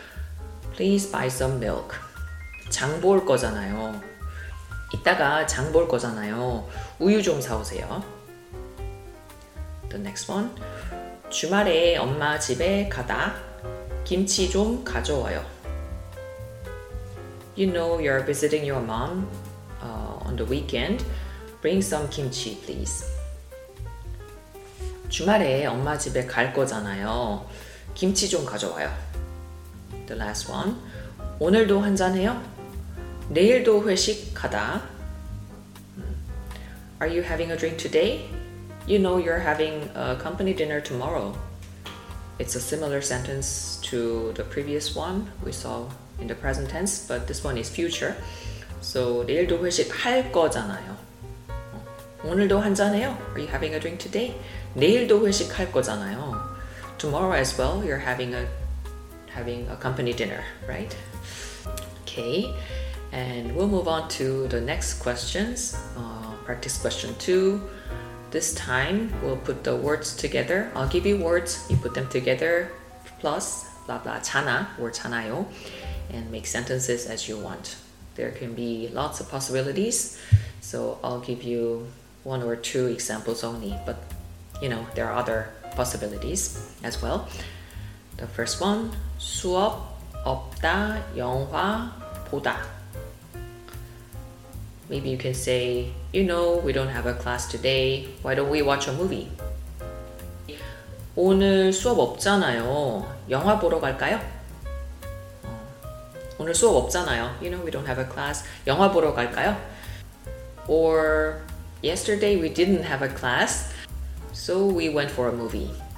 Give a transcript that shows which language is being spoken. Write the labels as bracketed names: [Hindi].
[English] Please buy some milk. [Korean] 장 볼 거잖아요. 이따가 장 볼 거잖아요. 우유 좀 사오세요. [English] The next one. [Korean] 주말에 엄마 집에 가다 김치 좀 가져와요. [English] You know you're visiting your mom on the weekend. Bring some kimchi, please. [Korean] 주말에 엄마 집에 갈 거잖아요. 김치 좀 가져와요. [English] The last one. [Korean] 오늘도 한 잔 해요? 내일도 회식 가다. [English] Are you having a drink today? You know you're having a company dinner tomorrow. It's a similar sentence to the previous one we saw in the present tense, but this one is future. [Korean] So 내일도 회식 할 거잖아요. 오늘도 한 잔 해요? [English] Are you having a drink today? [Korean] 내일도 회식 할 거잖아요. [English] Tomorrow as well, you're having a company dinner, right? Okay, and we'll move on to the next questions. Practice question 2. This time, we'll put the words together. I'll give you words. You put them together. Plus, blah blah, 잖아, or 잖아요. And make sentences as you want. There can be lots of possibilities. So I'll give you one or two examples only. But, you know, there are other possibilities as well. The first one, [Korean] 수업 없다 영화 보다. [English] Maybe you can say, you know, we don't have a class today. Why don't we watch a movie? [Korean] 오늘 수업 없잖아요. 영화 보러 갈까요? 오늘 수업 없잖아요. [English] You know, we don't have a class. [Korean] 영화 보러 갈까요? [English] Or yesterday we didn't have a class, so we went for a movie.